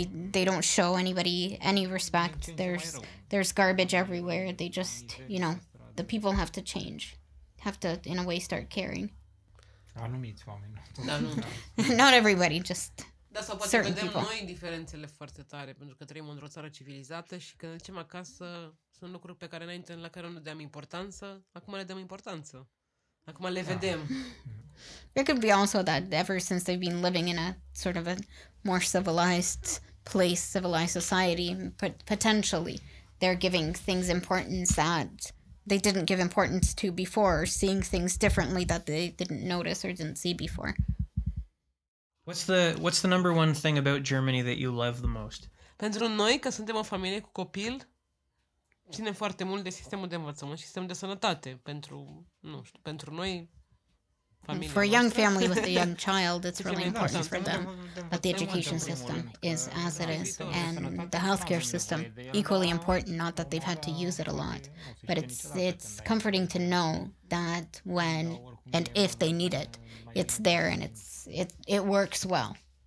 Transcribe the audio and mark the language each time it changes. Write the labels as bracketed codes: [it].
[en] They don't show anybody any respect. There's garbage everywhere. They just, you know, the people have to change. Have to in a way start caring. [ro] Anumiți oameni. [en] Not everybody, just [ro] Da, sau poate [en] Certain [ro] vedem [en] people. [ro] Noi diferențele foarte tare, pentru că trăim într-o țară civilizată și când ducem acasă, sunt lucruri pe care înainte la care nu deam importanță, acum le dăm importanță. Acum le vedem. [en] It could be also that ever since they've been living in a sort of a more civilized place, civilized society, potentially they're giving things importance that they didn't give importance to before, or seeing things differently that they didn't notice or didn't see before. What's the number one thing about Germany that you love the most? [ro] Pentru noi, că suntem o familie cu copil, ține foarte mult de sistemul de învățământ și sistemul de sănătate. Pentru noi, familia [en] For a young family with a young child, it's really important for them that the education system is as it is and the healthcare system equally important, not that they've had to use it a lot. But it's comforting to know that when and if they need it, it's there and it works well.